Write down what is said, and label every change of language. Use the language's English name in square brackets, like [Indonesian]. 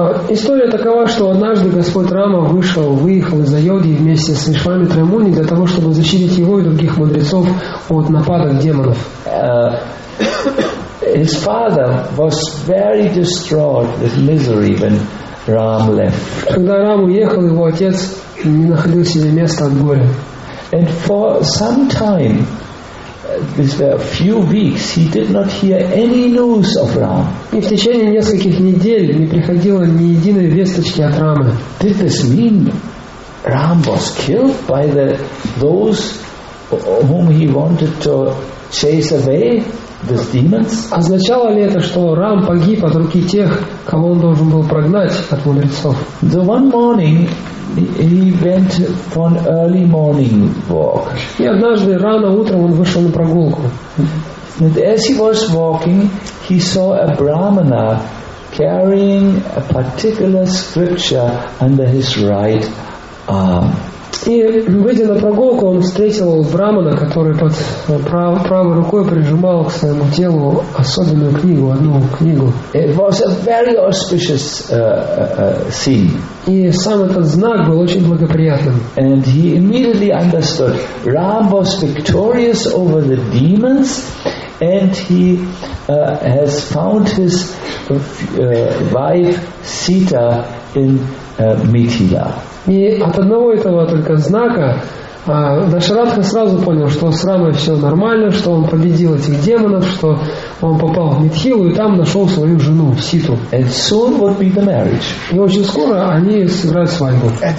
[Russian] История такова, что однажды Господь Рама выехал из Айодхи вместе с Вишвамитрой Муни для того, чтобы защитить его и других мудрецов от нападок демонов. [English] His father was very distraught with misery when Ram left. [Russian] Когда Рам уехал, его отец не находил себе места от горя. [English] And for some time, this were a few weeks, he did not hear any news of Ram. [Russian] И в течение нескольких недель не приходило ни единой весточки от Рамы. [English] Did this mean Ram was killed by those whom he wanted to chase away? [Russian] Означало ли это, что Рам погиб от руки тех, кого он должен был прогнать от мудрецов? [English] The one morning he went for an early morning walk. [Russian] И однажды рано утром он вышел на прогулку. [English] And as he was walking, he saw a brahmana carrying a particular scripture under his right arm. [Russian] И выйдя на прогулку, он встретил брахмана, который под правой рукой прижимал к своему телу особенную книгу, одну книгу. [English] It was a very auspicious scene. [Russian] И сам этот знак был очень благоприятным. [English] And he immediately understood Ram was victorious over the demons, and he has found his wife Sita in Mithila. [Russian] И от одного этого только знака Дашаратха сразу понял, что с Рамой все нормально, что он победил этих демонов, что он попал в Митхилу и там нашел свою жену Ситу. [English] And soon would be the marriage. [Russian] И очень скоро они сыграют свадьбу.